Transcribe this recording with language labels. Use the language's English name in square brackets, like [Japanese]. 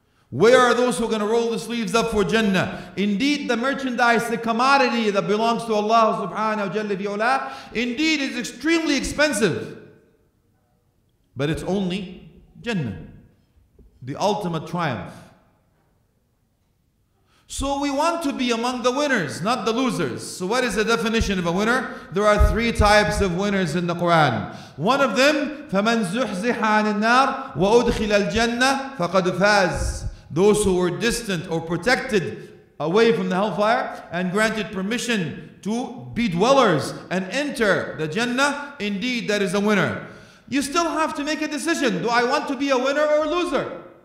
[English] Where are those who are going to roll the sleeves up for Jannah? Indeed, the merchandise, the commodity that belongs to Allah subhanahu wa jalla fi ula, indeed is extremely expensive. But it's only Jannah, the ultimate triumph. So we want to be among the winners, not the losers. So what is the definition of a winner? There are three types of winners in the Quran. One of them, [Arabic] فَمَنْ زُحْزِحَ عَنِ النَّارِ وَأُدْخِلَ الْجَنَّةِ فَقَدْ فَازِ. [English] Those who were distant or protected away from the hellfire and granted permission to be dwellers and enter the Jannah, indeed that is a winner. You still have to make a decision. Do I want to be a winner or a loser?